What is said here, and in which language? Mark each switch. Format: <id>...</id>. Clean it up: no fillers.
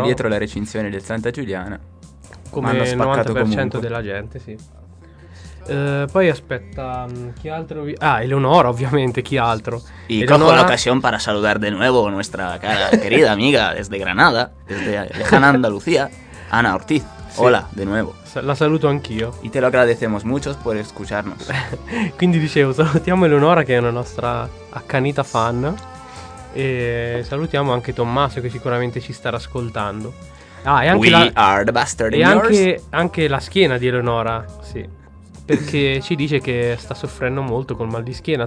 <it>da dietro la recinzione del Santa Giuliana. Come il 90% comunque della gente, sì. Poi aspetta, chi altro? Ah, Eleonora ovviamente, chi altro?</it> <es>Y cojo la ocasión para saludar de nuevo nuestra cara querida amiga desde Granada, desde lejana Andalucía, Ana Ortiz. Hola, sí, de nuevo.</es> <it>La saluto anch'io.</it> <es>Y te lo agradecemos mucho por escucharnos.</es> <it>Quindi dicevo, salutiamo Eleonora che è una nostra accanita fan e salutiamo anche Tommaso che sicuramente ci starà ascoltando. Ah, e anche We are the bastard in yours. E anche la schiena di Eleonora, sì. Perché ci dice che sta soffrendo molto col mal di schiena.</it>